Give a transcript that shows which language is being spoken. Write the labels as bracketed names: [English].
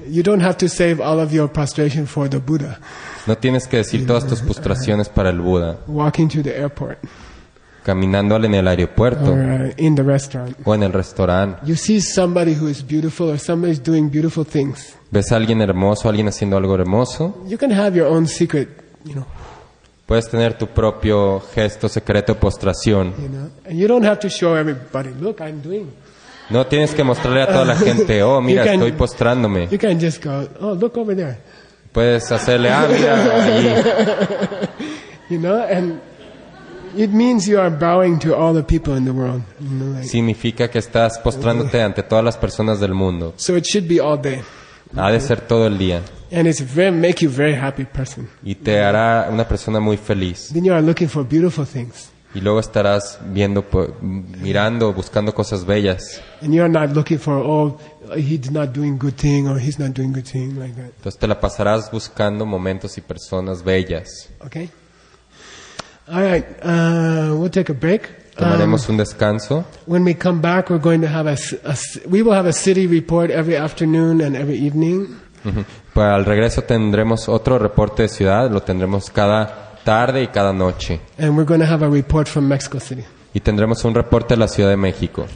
[English] You don't have to save all of your prostration for the Buddha. [Spanish] No tienes que decir todas tus postraciones para el Buda. [English] Walking to the airport. [Spanish] Caminando en el aeropuerto. [English] Or in the restaurant. [Spanish] O en el restaurante. [English] You see somebody who is beautiful or somebody is doing beautiful things. [Spanish] Ves a alguien hermoso, alguien haciendo algo hermoso. [English] You can have your own secret, you know. [Spanish] Puedes tener tu propio gesto secreto de postración. [English] You know? And you don't have to show everybody, look, I'm doing. [Spanish] No tienes que mostrarle a toda la gente, oh, mira, [English] you can, [Spanish] estoy postrándome. [English] You can just go, oh, look over there. [Spanish] Puedes hacerle, ah, mira, allí. [English] You know, and it means you are bowing to all the people in the world. You know, like, [Spanish] significa que estás postrándote ante todas las personas del mundo. [English] So it should be all day. [Spanish] Ha de ser todo el día. [English] And it's very make you very happy person. [Spanish] Y te hará una persona muy feliz. [English] Then you are looking for beautiful things. [Spanish] Y luego estarás viendo, mirando, buscando cosas bellas. [English] And you are not looking for he's not doing good thing or he's not doing good thing like that. [Spanish] Entonces te la pasarás buscando momentos y personas bellas. [English] Okay. All right. We'll take a break. [Spanish] Tomaremos un descanso. [English] When we come back, we're going to have a city report every afternoon and every evening. [Spanish] Pues al regreso tendremos otro reporte de ciudad, lo tendremos cada tarde y cada noche. [English] And we're going to have a report from Mexico City. [Spanish] Y tendremos un reporte de la Ciudad de México.